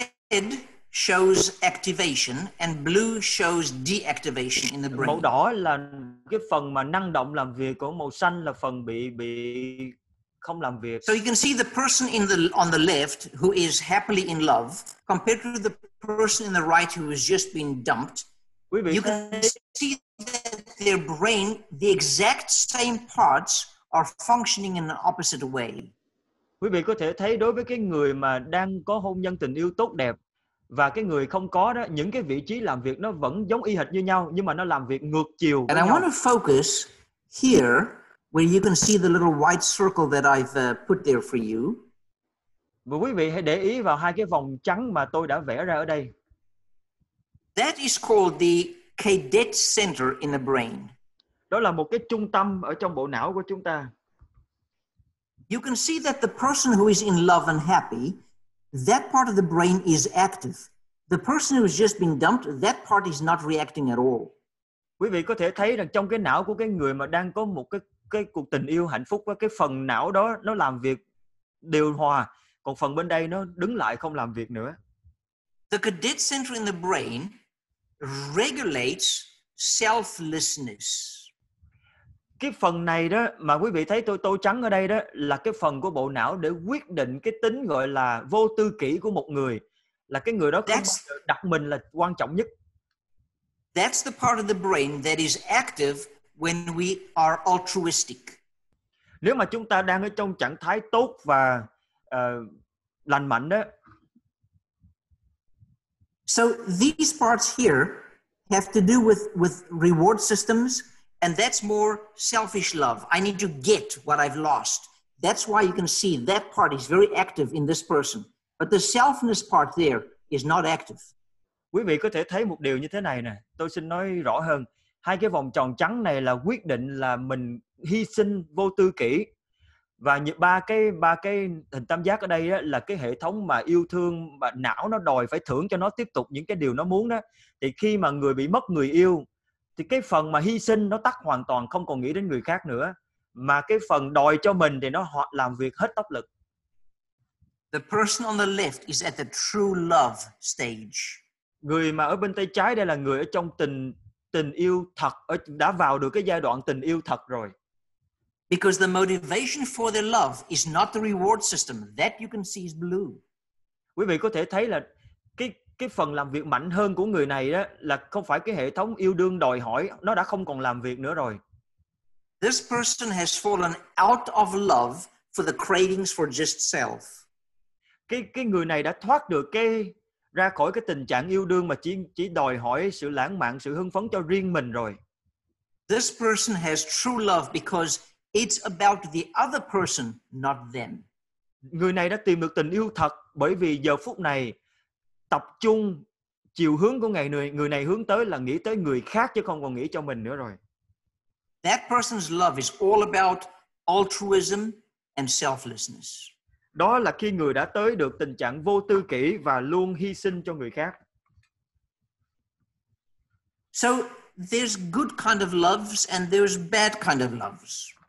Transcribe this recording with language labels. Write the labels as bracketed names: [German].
[English] Red shows activation and blue shows deactivation in the brain. [Vietnamese] Màu đỏ là cái phần mà năng động làm việc, còn màu xanh là phần bị không làm việc. [English] So you can see the person in the on the left who is happily in love compared to the person in the right who has just been dumped. You can see that their brain, the exact same parts are functioning in an opposite way. [Vietnamese] Quý vị có thể thấy đối với cái người mà đang có hôn nhân tình yêu tốt đẹp và cái người không có đó, những cái vị trí làm việc nó vẫn giống y hệt như nhau, nhưng mà nó làm việc ngược chiều. [English] And I want to focus here where you can see the little white circle that I've put there for you. [Vietnamese] Và quý vị hãy để ý vào hai cái vòng trắng mà tôi đã vẽ ra ở đây. [English] That is called the cadet center in the brain. [Vietnamese] Đó là một cái trung tâm ở trong bộ não của chúng ta. [English] You can see that the person who is in love and happy, that part of the brain is active. The person who has just been dumped, that part is not reacting at all. [Vietnamese] Quý vị có thể thấy rằng trong cái não của cái người mà đang có một cái cuộc tình yêu hạnh phúc, cái phần não đó nó làm việc điều hòa, còn phần bên đây nó đứng lại không làm việc nữa. [English] The cadet center in the brain regulates selflessness. [Vietnamese] Cái phần này đó mà quý vị thấy tô trắng ở đây đó là cái phần của bộ não để quyết định cái tính gọi là vô tư kỷ của một người, là cái người đó không bao giờ đặt mình là quan trọng nhất. [English] That's the part of the brain that is active when we are altruistic. [Vietnamese] Nếu mà chúng ta đang ở trong trạng thái tốt và lành mạnh đó. [English] So these parts here have to do with reward systems. And that's more selfish love. I need to get what I've lost. That's why you can see that part is very active in this person. But the selfness part there is not active. [Vietnamese] Quý vị có thể thấy một điều như thế này nè. Tôi xin nói rõ hơn. Hai cái vòng tròn trắng này là quyết định là mình hy sinh vô tư kỷ. Và ba cái hình tam giác ở đây á, là cái hệ thống mà yêu thương, mà não nó đòi phải thưởng cho nó tiếp tục những cái điều nó muốn đó. Thì khi mà người bị mất người yêu, thì cái phần mà hy sinh nó tắt hoàn toàn, không còn nghĩ đến người khác nữa, mà cái phần đòi cho mình thì nó hoặc làm việc hết tốc lực. [English] The person on the left is at the true love stage. [Vietnamese] Người mà ở bên tay trái đây là người ở trong tình yêu thật, đã vào được cái giai đoạn tình yêu thật rồi. [English] Because the motivation for the love is not the reward system that you can see is blue. [Vietnamese] Quý vị có thể thấy là cái phần làm việc mạnh hơn của người này đó là không phải cái hệ thống yêu đương đòi hỏi, nó đã không còn làm việc nữa rồi. [English] This person has fallen out of love for the cravings for just self. [Vietnamese] Cái người này đã thoát được ra khỏi cái tình trạng yêu đương mà chỉ đòi hỏi sự lãng mạn, sự hưng phấn cho riêng mình rồi. [English] This person has true love because It's about the other person, not them. [Vietnamese] Người này đã tìm được tình yêu thật bởi vì giờ phút này tập trung chiều hướng của người này hướng tới là nghĩ tới người khác chứ không còn nghĩ cho mình nữa rồi. [English] That person's love is all about altruism and selflessness. [Vietnamese] Đó là khi người đã tới được tình trạng vô tư kỷ và luôn hy sinh cho người khác. [English] So there's good kind of loves and there's bad kind of loves.